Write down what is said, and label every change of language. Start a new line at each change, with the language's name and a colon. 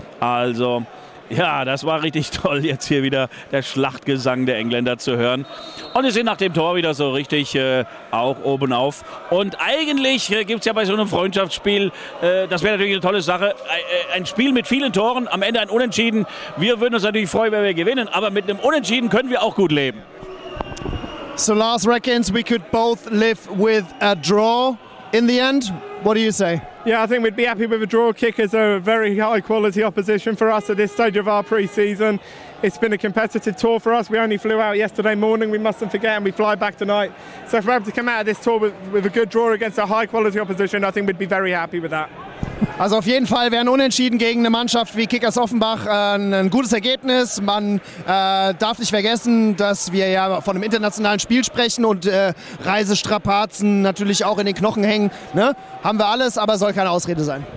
German: Also, ja, das war richtig toll, jetzt hier wieder der Schlachtgesang der Engländer zu hören. Und wir sind nach dem Tor wieder so richtig auch oben auf. Und eigentlich gibt es ja bei so einem Freundschaftsspiel, das wäre natürlich eine tolle Sache, ein Spiel mit vielen Toren, am Ende ein Unentschieden. Wir würden uns natürlich freuen, wenn wir gewinnen, aber mit einem Unentschieden können wir auch gut leben.
English: So Lars reckons we could both live with a draw in the end. What do you say? Yeah, I think we'd be happy with a draw. Kickers are a very high quality opposition for us at this stage of our pre-season. It's been a competitive tour for us. We only flew out yesterday morning, we mustn't forget, and we fly back tonight. So if we're able to come out of this tour with a good draw against a high quality opposition, I think we'd be very happy with that.
German: Also auf jeden Fall wäre ein Unentschieden gegen eine Mannschaft wie Kickers Offenbach ein gutes Ergebnis. Man darf nicht vergessen, dass wir ja von einem internationalen Spiel sprechen und Reisestrapazen natürlich auch in den Knochen hängen. Ne? Haben wir alles, aber soll keine Ausrede sein.